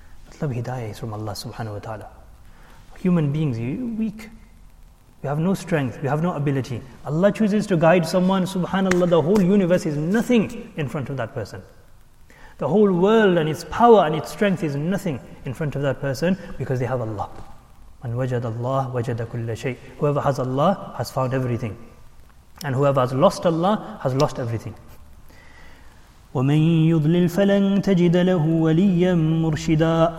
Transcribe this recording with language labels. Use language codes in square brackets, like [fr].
[en] Matlab, hidayah is from Allah subhanahu wa ta'ala. Human beings, you're weak. You have no strength, you have no ability. Allah chooses to guide someone, subhanallah, the whole universe is nothing in front of that person. The whole world and its power and its strength is nothing in front of that person because they have Allah. [ar] And وجد الله وجد كل شيء. [en] Whoever has Allah has found everything, and whoever has lost Allah has lost everything. [ar] ومن يضلل فلن تجد له وليا مرشدا.